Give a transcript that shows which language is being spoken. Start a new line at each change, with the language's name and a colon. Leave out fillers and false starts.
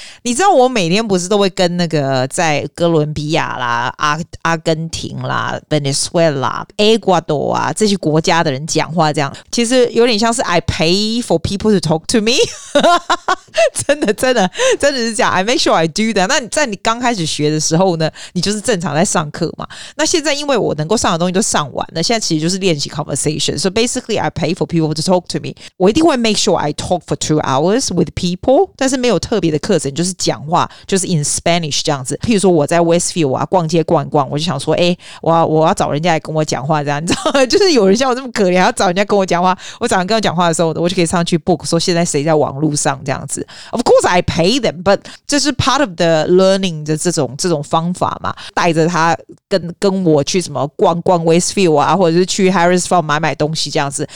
Chinese: 你知道我每天不是都会跟那个在哥伦比亚啦、阿根廷啦、 Venezuela、 Ecuador 啊这些国家的人讲话，这样其实有点像是
English: I pay for people to talk to me
Chinese: 真的真的真的是这样，
English: I make sure I do that。
Chinese: 那你在你刚开始学的时候呢，你就是正常在上课嘛，那现在因为我能够上的东西都上完了，现在其实就是练习 conversation。
English: So basically I pay for people to talk to me，
Chinese: 我一定会
English: make sure I talk for 2 hours with people，
Chinese: 但是没有特别的课程，就是讲话，就是
English: in Spanish 这样子。
Chinese: 譬如说我在 Westfield 啊逛街逛逛，我就想说，哎、欸，我要找人家来跟我讲话，这样你知道吗？就是有人像我这么可怜要找人家跟我讲话，我找人跟我讲话的时候，我就可以上去 book 说现在谁在网络上这样子。
English: Of course I pay them， but
Chinese: 这是
English: part of the learning
Chinese: 的这种方法嘛，带着他跟我去什么逛逛 Westfield 啊，或者是去 Harris Farm 买买东西这样子。